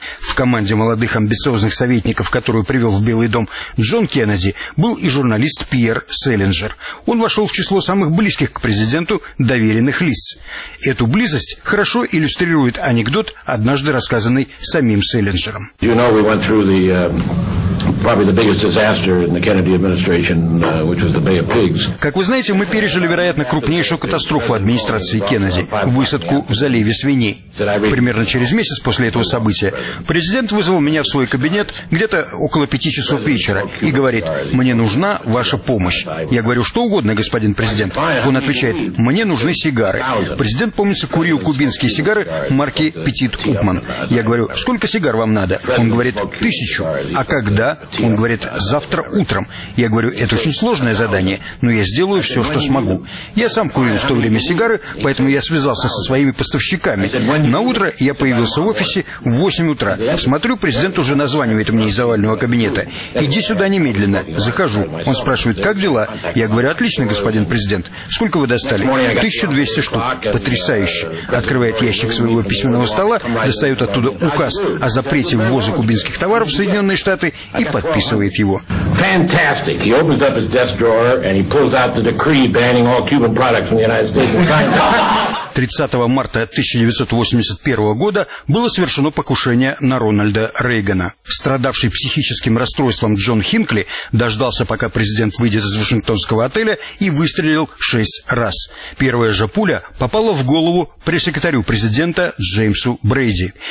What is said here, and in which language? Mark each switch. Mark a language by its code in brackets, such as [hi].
[ru] В команде молодых амбициозных советников, которую привел в Белый дом Джон Кеннеди, был и журналист Пьер Селлинджер. Он вошел в число самых близких к президенту доверенных лиц. Эту близость хорошо иллюстрирует анекдот, однажды рассказанный самим Селлинджером. You know, we went through the, probably the biggest disaster in the Kennedy administration, which was the Bay of Pigs. Как вы знаете, мы пережили, вероятно, крупнейшую катастрофу администрации Кеннеди – высадку в заливе свиней. Примерно через месяц после этого события президент вызвал меня в свой кабинет где-то около 5 часов вечера и говорит: «Мне нужна ваша помощь». Я говорю: «Что угодно, господин президент». Он отвечает: «Мне нужны сигары». Президент, помнится, курил кубинские сигары марки «Петит Упман». Я говорю: «Сколько сигар вам надо?» Он говорит: 1000. «А когда?» Он говорит: «Завтра утром». Я говорю: «Это очень сложное задание, но я сделаю все, что смогу». Я сам курил в то время сигары, поэтому я связался со своими поставщиками. На утро я появился в офисе в 8 утра. Смотрю, президент уже названивает мне из овального кабинета. «Иди сюда немедленно». Захожу. Он спрашивает: «Как дела?» Я говорю: «Отлично, господин президент. Сколько вы достали?» 1200 штук. Потрясающе. Открывает ящик своего письменного стола, достает оттуда указ о запрете ввоза кубинских товаров в Соединенные Штаты и подписывает его. [en] Fantastic. He opens up his desk drawer and he pulls out the decree banning all Cuban products from the United States. [ru] 30 марта 1981 года было совершено покушение на Рональда Рейгана. Страдавший психическим расстройством Джон Хинкли дождался, пока президент выйдет из Вашингтонского отеля, и выстрелил 6 раз. Первая же пуля попала в голову пресс-секретарю президента Джеймсу Брейди.